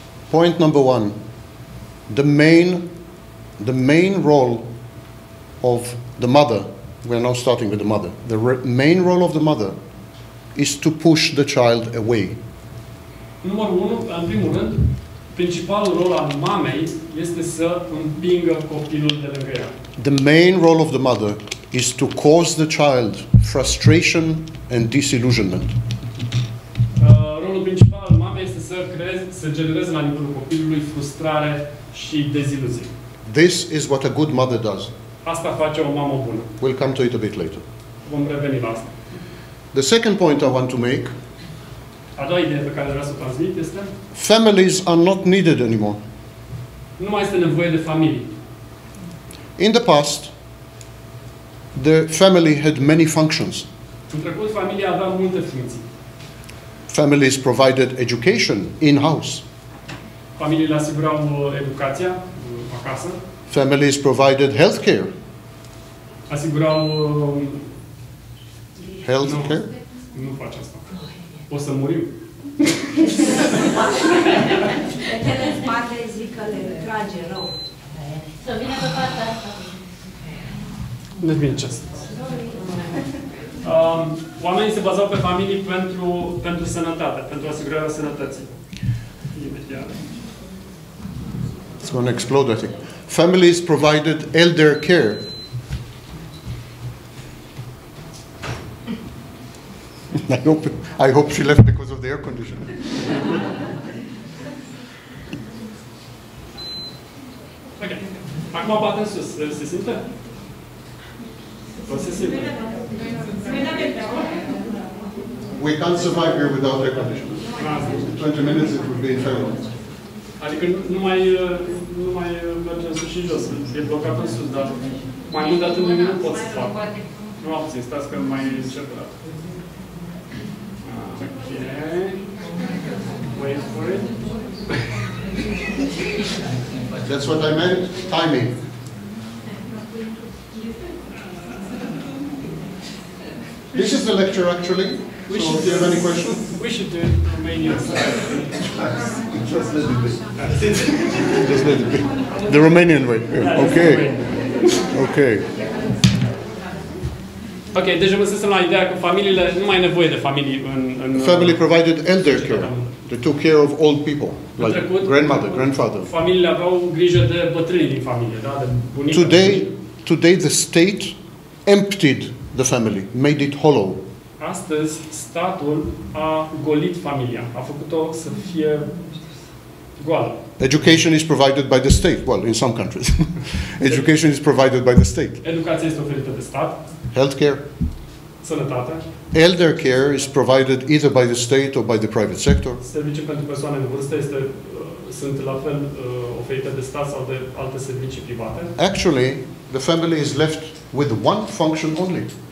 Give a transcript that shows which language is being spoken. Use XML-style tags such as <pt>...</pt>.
<en>Point number one, the main role of the mother, we are now starting with the mother, the main role of the mother is to push the child away.</en> <ro>Numărul unu, în primul rând, principalul rol al mamei este să împingă copilul de lângă ea.</ro> <en>The main role of the mother is to cause the child frustration and disillusionment.</en> <ro>Rolul principal al mamei este să genereze la nivelul copilului frustrare și deziluzie.</ro> <en>This is what a good mother does.</en> <ro>Asta face o mamă bună.</ro> <en>We'll come to it a bit later.</en> <ro>Vom reveni la asta.</ro> <en>The second point I want to make.</en> <ro>A doua idee pe care vreau să o transmit este.</ro> <en>Families are not needed anymore.</en> <ro>Nu mai este nevoie de familie.</ro> <en>In the past, the family had many functions.</en> <ro>În trecut, familia avea multe funcții.</ro> <en>Families provided education in-house.</en> <ro>Familiile asigurau educația acasă.</ro> <en>Families provided healthcare.</en> <ro>Asigurau</ro> <en>healthcare.</en> <ro>Nu fac asta. O să muriu. Fetele în spate zic că le trage rău. Să vină pe partea asta. Nu vine ce asta. Oamenii se bazau pe familie pentru sănătate, pentru asigurarea sănătății. Imediat.</ro> <en>It's going to explode, I think. Families provided elder care. I hope she left because of the air conditioner.</en> <ro>Okay. Acum bate în sus. Se simte? O se simte.</ro> <en>We can't survive here without air conditioner. 20 minutes it would be infernal.</en> <ro>Adică nu mai merge în sus și jos, e blocat în sus, dar mai mult de atât nu pot să fac. Nu am obțin, stați că nu mai încerc.</ro> <en>Ok. Wait for it. That's what I meant, timing. This is the lecture, actually. We so, do you have any questions? We should do it in Romanian style. Just let it be. Just let it be. The Romanian way. Yeah. Yeah, okay. Okay.</en> <ro>Okay, deja mă susțin la ideea că familiile nu mai nevoie de familie în...</ro> <en>Family provided elder care. They took care of old people, like grandmother, grandfather.</en> <ro>Familiile aveau grijă de bătrânii din familie, da? De bunică.</ro> <en>Today the state emptied the family, made it hollow.</en> <ro>Astăzi, statul a golit familia, a făcut-o să fie goală.</ro> <en>Education is provided by the state. Well, in some countries. Education is provided by the state.</en> <ro>Educația este oferită de stat.</ro> <en>Healthcare.</en> <ro>Sănătate.</ro> <en>Elder care is provided either by the state or by the private sector.</en> <ro>Servicii pentru persoane în vârstă sunt la fel oferite de stat sau de alte servicii private.</ro> <en>Actually, the family is left with one function only.</en>